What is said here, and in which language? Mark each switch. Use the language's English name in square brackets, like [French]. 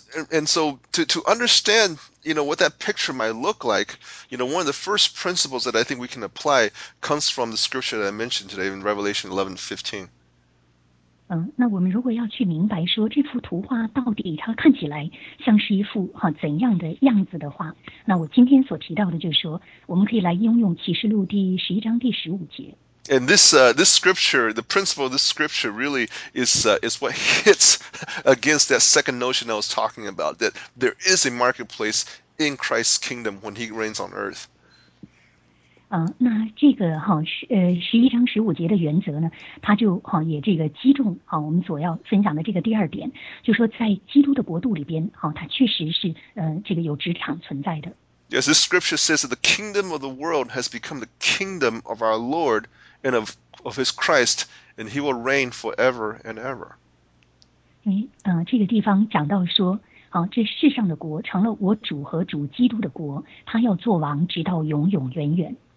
[English] And so to understand, you know, what that picture might look like, you know, one of the first principles that I think we can apply comes from the scripture that I mentioned today in Revelation 11:15. [Chinese] 那我们如果要去明白说这幅图画到底它看起来像是一幅怎样的样子的话，那我今天所提到的就是说，我们可以来应用启示录第十一章第十五节。 [English] And this scripture, the principle of this scripture really is what hits against that second notion I was talking about, that there is a marketplace in Christ's kingdom when he reigns on earth. [Chinese] 那这个十一章十五节的原则呢，它就也这个击中我们所要分享的这个第二点，就说在基督的国度里边它确实是这个有职场存在的。 [English] Yes, this scripture says that the kingdom of the world has become the kingdom of our Lord. And of his Christ, and he will reign forever and ever. [Chinese] 这个地方讲到说，这世上的国成了我主和主基督的国，他要做王，直到永永远远。